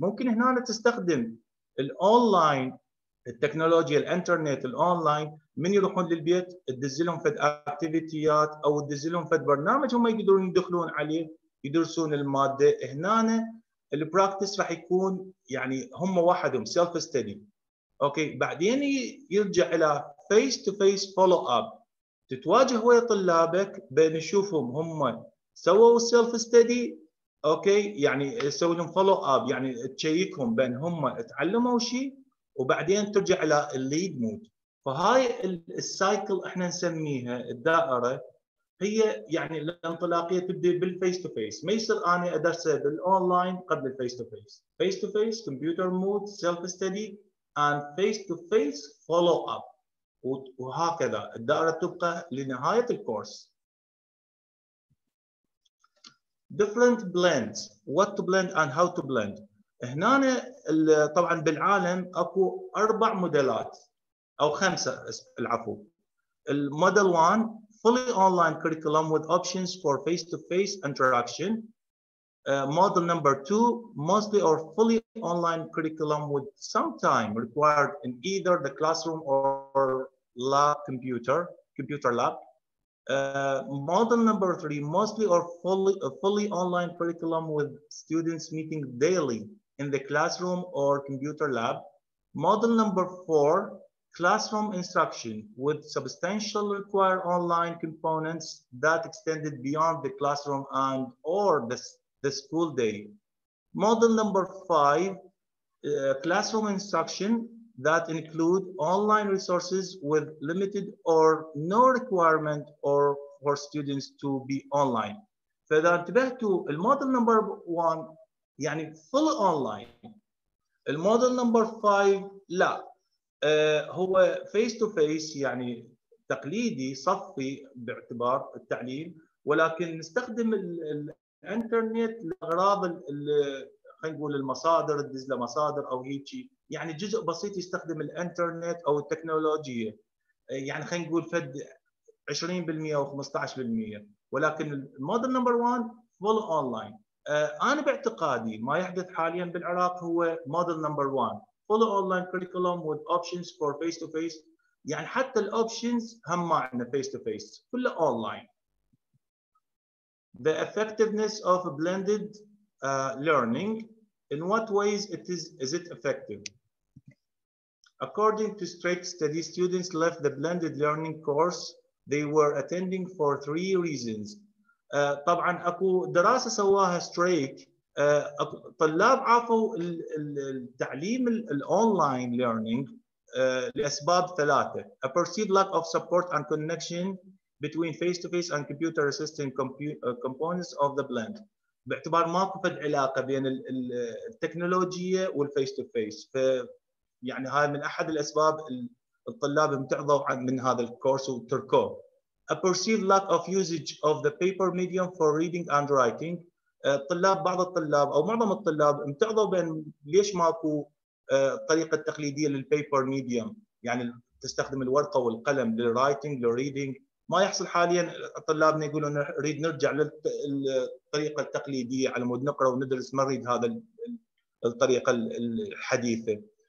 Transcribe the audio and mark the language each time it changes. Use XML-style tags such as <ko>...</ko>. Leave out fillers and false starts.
<ar>ممكن هنا تستخدم الأونلاين التكنولوجيا الإنترنت الأونلاين من يروحون للبيت تدزلهم فد activities أو تدزلهم فد برنامج هم يقدرون يدخلون عليه يدرسون المادة. هنا ال practice راح يكون يعني هم وحدهم self study. أوكي بعدين يرجع إلى</ar> <en>face to face follow up.</en> <ar>تتواجه ويا طلابك بنشوفهم هم سووا سيلف ستدي اوكي يعني تسوي لهم فولو اب يعني تشيكهم بين هم اتعلموا شيء وبعدين ترجع الى الليد مود. فهاي السايكل احنا نسميها الدائره هي يعني الانطلاقيه تبدا بالفيس تو فيس، ما يصير انا ادرس بالاونلاين قبل الفيس تو فيس.</ar> <en>face to face computer mode self study and face to face follow up</en> <ar>وهكذا الدائرة تبقى لنهاية الكورس.</ar> <en>Different blends, what to blend and how to blend.</en> <ar>هنا طبعا بالعالم اكو اربع موديلات او خمسة العفو.</ar> <en>Model 1 fully online curriculum with options for face to face interaction. Model number 2 mostly or fully online curriculum with some time required in either the classroom or lab computer lab. Model number 3 mostly or fully online curriculum with students meeting daily in the classroom or computer lab. Model number 4 classroom instruction with substantial required online components that extended beyond the classroom and or the school day. Model number 5 classroom instruction that include online resources with limited or no requirement or for students to be online.</en> <ar>فإذا انتبهتوا الموديل نمبر 1 يعني</ar> <en>full online،</en> <ar>الموديل نمبر 5 لا هو</ar> <en>face to face</en> <ar>يعني تقليدي صفي باعتبار التعليم، ولكن نستخدم الانترنت لاغراض خلينا نقول المصادر، ندز له مصادر او هيجي، يعني جزء بسيط يستخدم الانترنت او التكنولوجيا، يعني خلينا نقول فد 20% او 15%، ولكن المودل نمبر 1 فول اونلاين. انا باعتقادي ما يحدث حاليا بالعراق هو مودل نمبر 1</ar> <en>full online curriculum with options for face to face,</en> <ar>يعني حتى الاوبشنز هم ما عندنا فيس تو فيس كله اونلاين.</ar> <en>The effectiveness of blended learning, in what ways is it effective? According to Straight Study, students left the blended learning course they were attending for 3 reasons.</en> <ar>طبعاً أكو دراسة سواها Straight. طلاب عافوا التعليم الأونلاين</ar> <en>learning</en> <ar>لأسباب 3:</ar> <en>a perceived lack of support and connection between face-to-face and computer-assisted components of the blend.</en> <ar>باعتبار ماكو فد علاقة بين التكنولوجيا والفيس-تو-فيس. يعني هاي من أحد الأسباب الطلاب امتعضوا من هذا الكورس وتركوه.</ar> <en>A perceived lack of usage of the paper medium for reading and writing.</en> <ar>الطلاب بعض الطلاب أو معظم الطلاب امتعضوا بأن ليش ماكو الطريقة التقليدية للبيبر ميديوم، يعني تستخدم الورقة والقلم للرايتنج للريدنج. ما يحصل حاليا طلابنا يقولون نريد نرجع للطريقة التقليدية على مود نقرأ وندرس، ما نريد هذا الطريقة الحديثة.</ar>